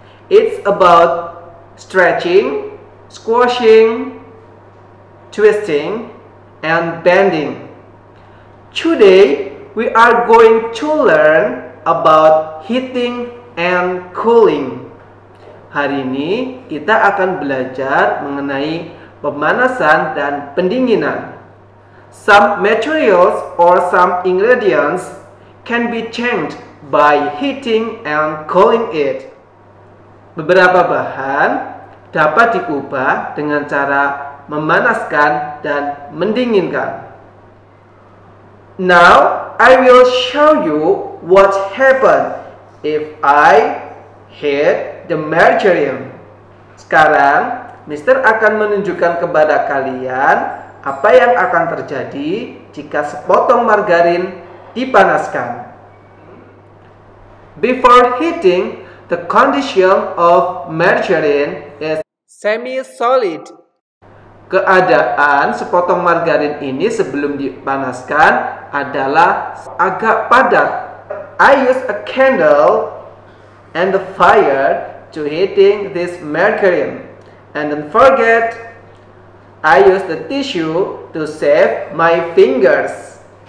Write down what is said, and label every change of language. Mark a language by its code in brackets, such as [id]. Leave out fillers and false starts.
[en] It's about stretching, squashing, twisting, and bending. Today, we are going to learn about heating and cooling. [id] Hari ini, kita akan belajar mengenai pemanasan dan pendinginan. [en] Some materials or some ingredients can be changed by heating and cooling it. [id] Beberapa bahan dapat diubah dengan cara memanaskan dan mendinginkan. [en] Now, I will show you what happens if I heat the material. [id] Sekarang, Mister akan menunjukkan kepada kalian apa yang akan terjadi jika sepotong margarin dipanaskan. [en] Before heating, the condition of margarine is semi-solid. [id] Keadaan sepotong margarin ini sebelum dipanaskan adalah agak padat. [en] I use a candle and the fire to heating this margarine. And don't forget, I use the tissue to save my fingers.